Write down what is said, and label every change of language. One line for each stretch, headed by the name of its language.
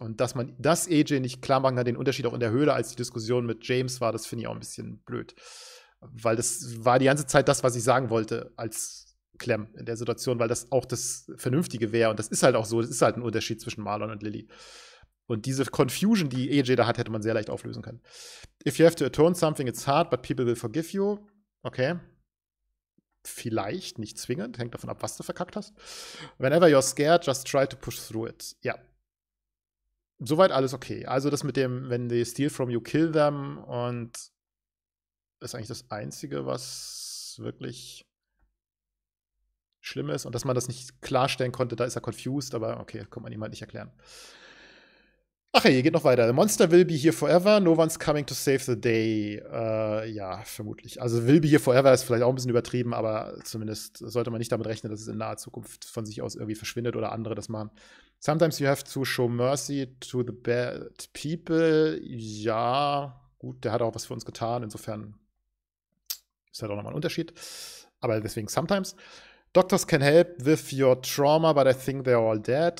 German: Und dass man das AJ nicht klar machen kann, den Unterschied auch in der Höhle, als die Diskussion mit James war, das finde ich auch ein bisschen blöd. Weil das war die ganze Zeit das, was ich sagen wollte, als Clem in der Situation, weil das auch das Vernünftige wäre. Und das ist halt auch so, das ist halt ein Unterschied zwischen Marlon und Lily. Und diese Confusion, die AJ da hat, hätte man sehr leicht auflösen können.
English: If you have to atone something, it's hard, but people will forgive you.
German: Okay. Vielleicht, nicht zwingend. Hängt davon ab, was du verkackt hast.
English: Whenever you're scared, just try to push through it.
German: Ja. Soweit alles okay. Also das mit dem,
English: when they steal from you, kill them.
German: Und ist eigentlich das Einzige, was wirklich schlimm ist. Und dass man das nicht klarstellen konnte, da ist er confused. Aber okay, kann man ihm halt nicht erklären. Ach ja, hier geht noch weiter.
English: The monster will be here forever. No one's coming to save the day.
German: Ja, vermutlich. Also
English: will be here forever
German: ist vielleicht auch ein bisschen übertrieben, aber zumindest sollte man nicht damit rechnen, dass es in naher Zukunft von sich aus irgendwie verschwindet oder andere das machen.
English: Sometimes you have to show mercy to the bad people.
German: Ja, gut, der hat auch was für uns getan. Insofern ist halt auch nochmal ein Unterschied. Aber deswegen sometimes.
English: Doctors can help with your trauma, but I think they're all dead.